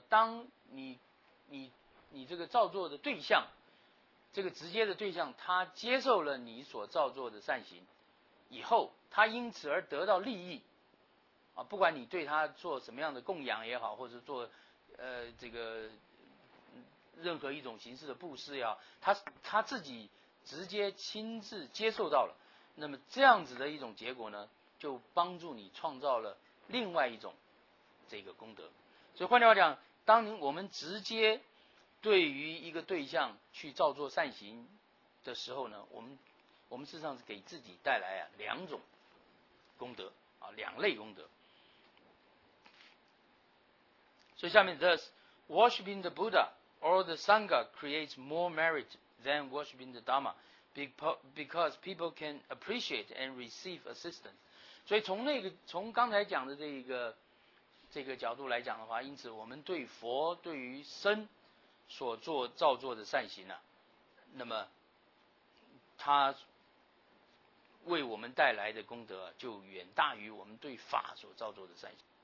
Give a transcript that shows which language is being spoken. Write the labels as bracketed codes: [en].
[zh] 当你这个造作的对象，这个直接的对象，他接受了你所造作的善行以后，他因此而得到利益，啊，不管你对他做什么样的供养也好，或者做这个任何一种形式的布施也好，他自己直接亲自接受到了，那么这样子的一种结果呢，就帮助你创造了另外一种这个功德。所以换句话讲，当我们直接对于一个对象去造作善行的时候呢，我们事实上是给自己带来啊两种功德啊，两类功德。所以下面 [en] thus worshipping the Buddha or the Sangha creates more merit than worshipping the Dharma because people can appreciate and receive assistance。 [zh] 所以从刚才讲的这个角度来讲的话，因此我们对佛对于僧所做造作的善行啊，那么他为我们带来的功德就远大于我们对法所造作的善行。